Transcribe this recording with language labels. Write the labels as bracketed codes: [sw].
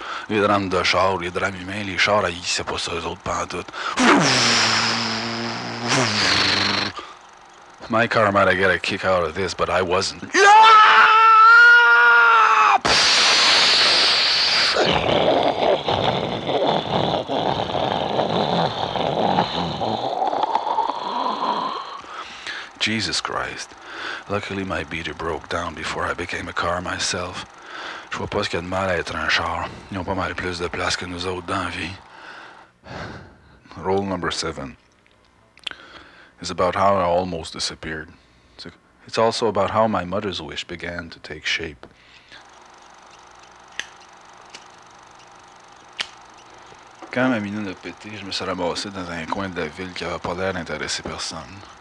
[fr] Les drames de char, les drames humains, les chars, ils c'est pas ça eux autres pantoute. [en] My car might have got a kick out of this, but I wasn't. Jesus Christ. Luckily, my beater broke down before I became a car myself. [fr] Je vois pas ce qu'il y a de mal à être un char. Ils ont pas mal plus de place que nous autres dans la vie. [en] Rule number 7 is about how I almost disappeared. It's also about how my mother's wish began to take shape. [fr] Quand ma minute a pété, je me suis ramassé dans un coin de la ville qui avait pas l'air d'intéresser personne.